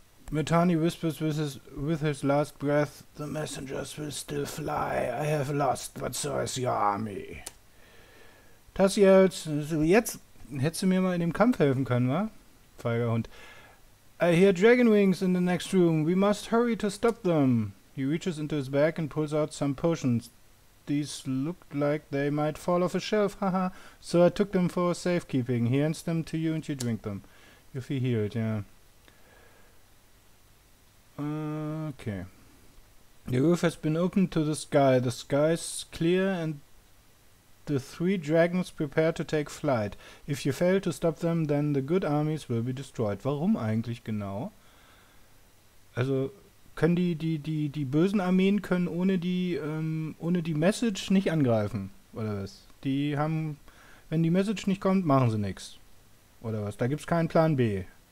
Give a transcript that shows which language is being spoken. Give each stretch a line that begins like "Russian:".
English: Mitanni whispers with his last breath, the messengers will still fly. I have lost, but so is your army.
German: Das jetzt hättest du mir mal in dem Kampf helfen können, wa? Feiger Hund.
English: I hear dragon wings in the next room. We must hurry to stop them. He reaches into his bag and pulls out some potions. These looked like they might fall off a shelf, haha. So I took them for safekeeping. He hands them to you and you drink them. You'll feel healed, yeah. Okay. The roof has been opened to the sky. The sky's clear and the three dragons prepare to take flight. If you fail to stop them, then the good armies will be destroyed.
German: Warum eigentlich genau? Also können die bösen Armeen können ohne die Message nicht angreifen, oder was? Die haben, wenn die Message nicht kommt, machen sie nichts. Oder was? Da gibt's keinen Plan B.